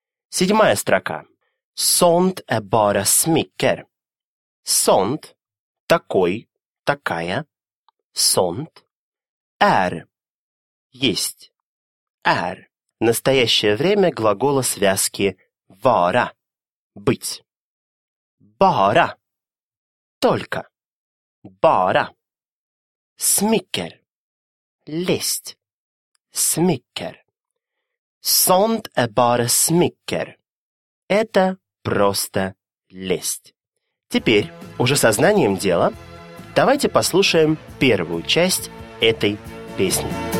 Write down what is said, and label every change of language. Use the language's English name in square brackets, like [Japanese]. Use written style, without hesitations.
[Russian] Седьмая строка. [Swedish] «Сонт э бара смикер». [Russian] «Сонт» – «такой». Такая. Сонт. Эр. Есть. Эр. Настоящее время глагола связки вара. Быть. Бара. Только. [Swedish] bara, smycker, list, smycker. Sånt är bara smycker. [Russian] Это просто list. Теперь, уже со знанием дела, давайте послушаем первую часть этой песни.